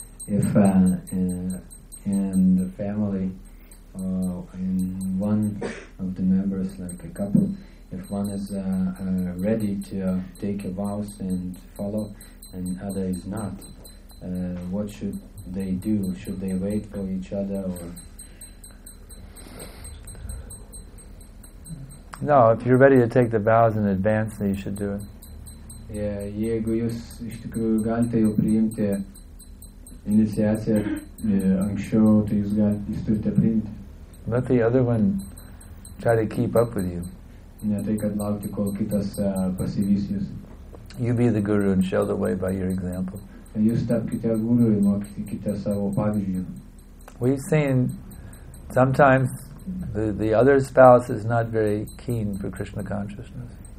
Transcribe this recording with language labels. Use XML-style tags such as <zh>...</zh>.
<en>If in the family, in one of the members, like a couple, if one is ready to take a vows and follow, and other is not, what should they do? Should they wait for each other or? No, if you're ready to take the vows in advance, then you should do it.</en> <lt>Yeah, jeigu jūs iš tikrųjų galite jau priimti iniciaciją anksčiau, tai jūs turite priimti.</lt> <en>Let the other one try to keep up with you.</en> <lt>Ne tai, kad laukti, kol kitas pasivys jūs.</lt> <en>You be the guru and show the way by your example.</en> <lt>Jūs tapkite guru ir mokykite savo pavyzdžių.</lt> <en>We've seen sometimes the other spouse is not very keen for Krishna consciousness.</en>